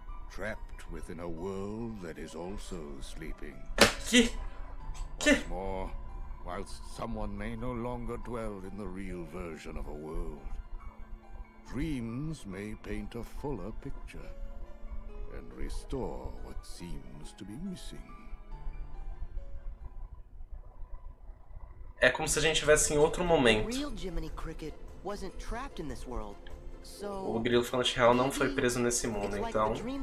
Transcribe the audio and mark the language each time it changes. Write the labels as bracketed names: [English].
[English] Trapped within a world that is also sleeping. [Portuguese] Que? Que? [English] What's more, whilst someone may no longer dwell in the real version of a world, dreams may paint a fuller picture and restore what seems to be missing. [Portuguese] É como se a gente tivesse em outro momento. [English] The real Jiminy Cricket wasn't trapped in this world. [Portuguese] O Grilo Falante Real não foi preso nesse mundo, então...